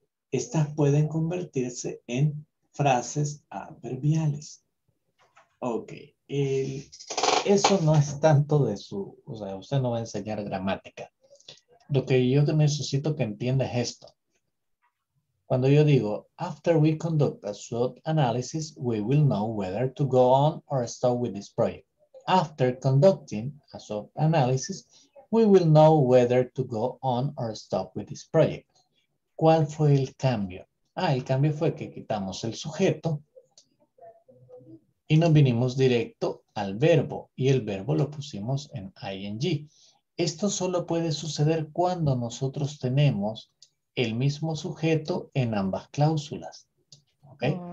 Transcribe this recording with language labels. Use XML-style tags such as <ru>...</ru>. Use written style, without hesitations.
<es>Estas pueden convertirse en frases adverbiales. Ok. Eso no es tanto de su... O sea, usted no va a enseñar gramática. Lo que yo necesito que entienda es esto. Cuando yo digo,</es> <en>after we conduct a SWOT analysis, we will know whether to go on or stop with this project. After conducting a SWOT analysis, we will know whether to go on or stop with this project.</en> <es>¿Cuál fue el cambio? Ah, el cambio fue que quitamos el sujeto y nos vinimos directo al verbo. Y el verbo lo pusimos en ing. Esto solo puede suceder cuando nosotros tenemos el mismo sujeto en ambas cláusulas. ¿Ok?</es>